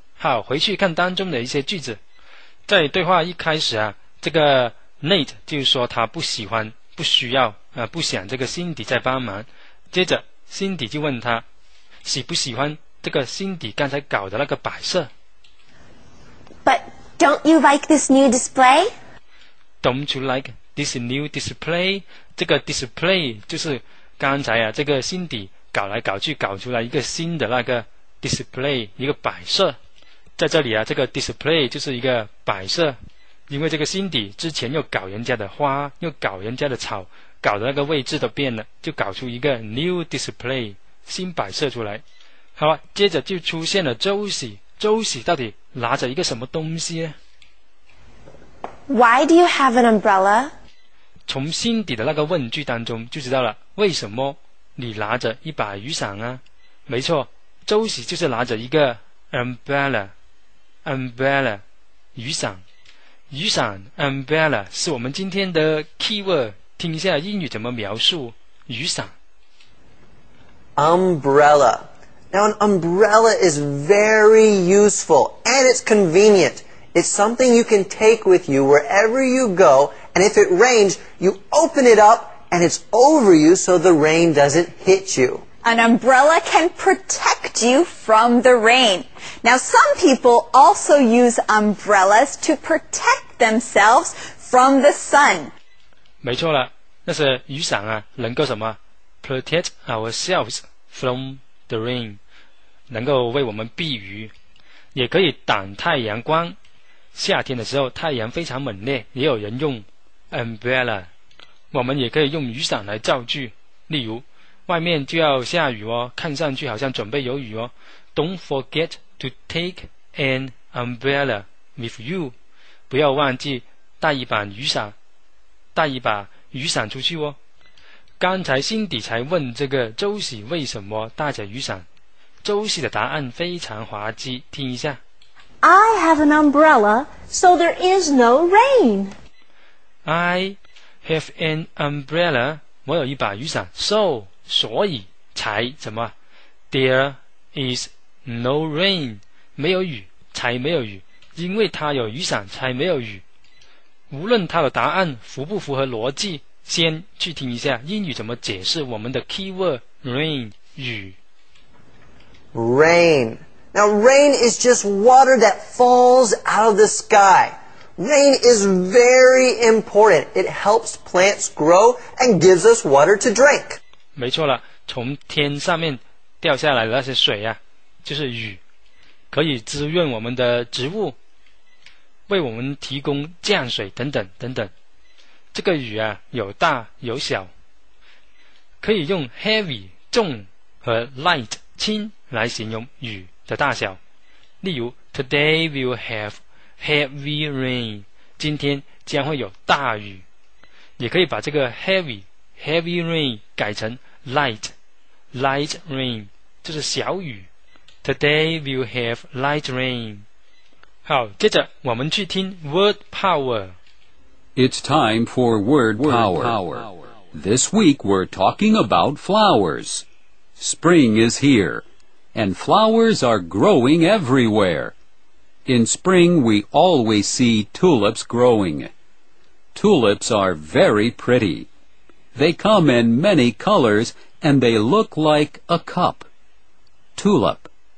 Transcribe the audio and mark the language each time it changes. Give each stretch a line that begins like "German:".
Chinese: 好，回去看当中的一些句子。在对话一开始啊，这个 Nate 就说他不喜欢不需要、不想这个 Cindy 再帮忙。接着 Cindy 就问他，喜不喜欢这个 Cindy 刚才搞的那个摆设。
English: But don't you like this new display? Don't you like this new display?
Chinese: 这个 display 就是刚才啊，这个 Cindy 搞来搞去搞出来一个新的那个 display， 一个摆设。在这里啊，这个 display 就是一个摆设，因为这个 Cindy 之前又搞人家的花，又搞人家的草，搞的那个位置都变了，就搞出一个 new display， 新摆设出来。好了，接着就出现了 Josie 到底拿着一个什么东西呢？
English: Why do you have an umbrella?
Chinese: 从 Cindy 的那个问句当中就知道了，为什么你拿着一把雨伞啊？没错， Josie 就是拿着一个 umbrella 雨伞。雨伞 umbrella 是我们今天的 keyword， 听一下英语怎么描述雨伞。
English: umbrella。 Now an umbrella is very useful and it's convenient. It's something you can take with you wherever you go, and if it rains, you open it up and it's over you so the rain doesn't hit you. An umbrella can protect you from the rain. Now some people also use umbrellas to protect themselves from the sun.
Chinese: 没错了，那是雨伞啊，能够什么
English: protect ourselves from the rain，
Chinese: 能够为我们避雨，也可以挡太阳光。夏天的时候太阳非常猛烈，也有人用 umbrella。我们也可以用雨伞来造句，例如外面就要下雨哦，看上去好像准备有雨哦。
English: Don't forget to take an umbrella with you，
Chinese: 不要忘记带一把雨伞出去哦。刚才 Cindy 才问这个 Josie 为什么带着雨伞，周西的答案非常滑稽，听一下。
English: I have an umbrella, so there is no rain. I have an umbrella,
Chinese: 我有一把雨伞 ，so 所以才怎么 ？
English: There is no rain,
Chinese: 没有雨才没有雨，因为他有雨伞才没有雨。无论他的答案符不符合逻辑，先去听一下英语怎么解释我们的 keyword rain 雨。
English: Rain. Now rain is just water that falls out of the sky. Rain is very important. It helps plants grow and gives us water to drink.
Chinese: 没错了，从天上面掉下来的那些水啊，就是雨，可以滋润我们的植物，为我们提供降水等等等等。这个雨啊，有大有小，可以用 heavy 重和 light 轻来形容雨的大小。
English: 例如 Today will have heavy rain，
Chinese: 今天将会有大雨。也可以把这个 heavy rain 改成 light，
English: light rain
Chinese: 就是小雨
English: Today we'll have light rain
Chinese: 好接着我们去听
English: word power It's time for word power. This week we're talking about flowers Spring is here And flowers are growing everywhere In spring we always see tulips growing Tulips are very pretty They come in many colors And they look like a cup Tulip